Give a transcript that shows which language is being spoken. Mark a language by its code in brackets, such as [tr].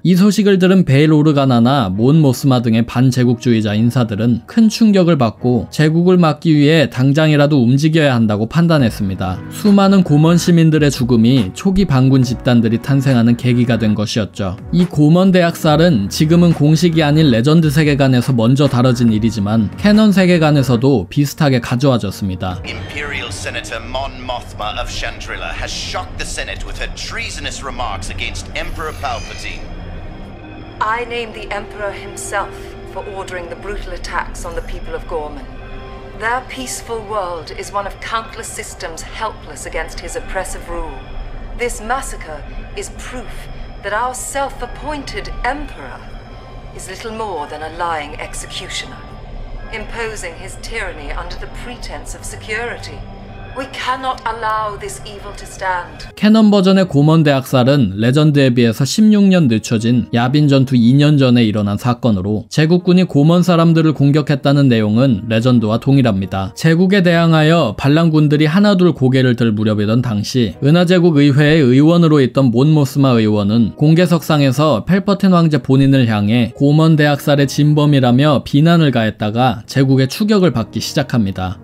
[ko] 이 소식을 들은 베일 오르가나나 몬 모스마 등의 반제국주의자 인사들은 큰 충격을 받고 제국을 막기 위해 당장이라도 움직여야 한다고 판단했습니다. 수많은 고먼 시민들의 죽음이 초기 반군 집단들이 탄생하는 계기가 된 것이었죠. 이 고먼 대학살은 지금은 공식이 아닌 레전드 세계관에서 먼저 다뤄진 일이지만 캐논 세계관에서도 비슷하게 가져와졌습니다. [en] Imperial Senator Mon Mothma of Chandrila has shocked the Senate with her treasonous remarks against Emperor Palpatine. I name the Emperor himself for ordering the brutal attacks on the people of Gorman. Their peaceful world is one of countless systems helpless against his oppressive rule. This massacre is proof that our self-appointed emperor is little more than a lying executioner, imposing his tyranny under the pretense of security. We cannot allow this evil to stand. [ko] 캐논 버전의 고먼 대학살은 레전드에 비해서 16년 늦춰진 야빈 전투 2년 전에 일어난 사건으로, 제국군이 고먼 사람들을 공격했다는 내용은 레전드와 동일합니다. 제국에 대항하여 반란군들이 하나둘 고개를 들 무렵이던 당시, 은하제국 의회의 의원으로 있던 몬 모스마 의원은 공개석상에서 펠퍼틴 황제 본인을 향해 고먼 대학살의 진범이라며 비난을 가했다가 제국의 추격을 받기 시작합니다.